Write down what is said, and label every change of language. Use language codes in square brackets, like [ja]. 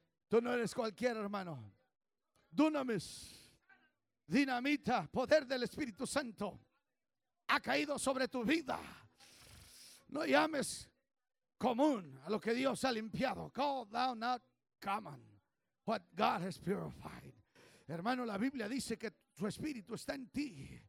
[es] Tú no eres cualquiera, hermano. Dunamis, dinamita, poder del Espíritu Santo ha caído sobre tu vida. No llames común a lo que Dios ha limpiado. [en] Call thou not common what God has purified. [es] Hermano, la Biblia dice que su Espíritu está en ti.